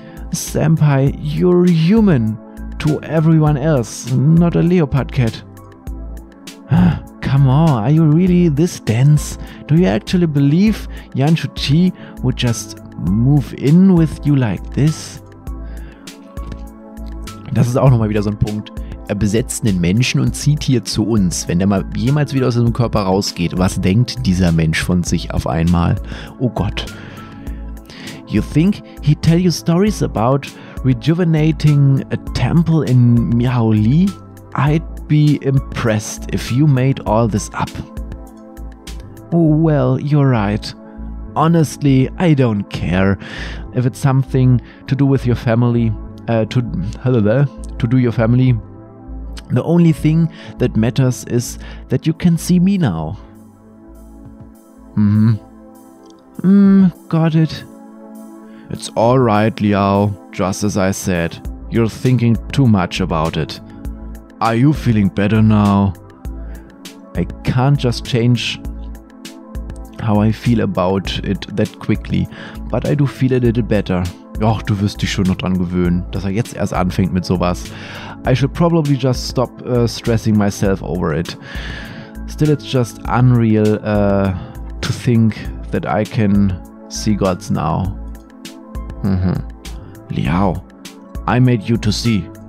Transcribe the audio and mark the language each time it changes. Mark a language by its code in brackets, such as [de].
[en] Senpai, you're human to everyone else, not a leopard cat. Come on, are you really this dense? Do you actually believe Yan Shuqi would just move in with you like this? [de] Das ist auch nochmal wieder so ein Punkt. Er besetzt einen Menschen und zieht hier zu uns. Wenn der mal jemals wieder aus seinem Körper rausgeht, was denkt dieser Mensch von sich auf einmal? Oh Gott. [en] You think he'd tell you stories about rejuvenating a temple in Miaoli? I'd be impressed if you made all this up. Oh, well, you're right. Honestly, I don't care if it's something to do with your family. To do your family. The only thing that matters is that you can see me now. Got it. It's all right, Liao. Just as I said, you're thinking too much about it. Are you feeling better now? I can't just change how I feel about it that quickly, but I do feel a little better. [de] Och, du wirst dich schon noch dran gewöhnen, dass er jetzt erst anfängt mit sowas. [en] I should probably just stop stressing myself over it. Still, it's just unreal to think that I can see gods now. Mhm. Liao, I made you to see.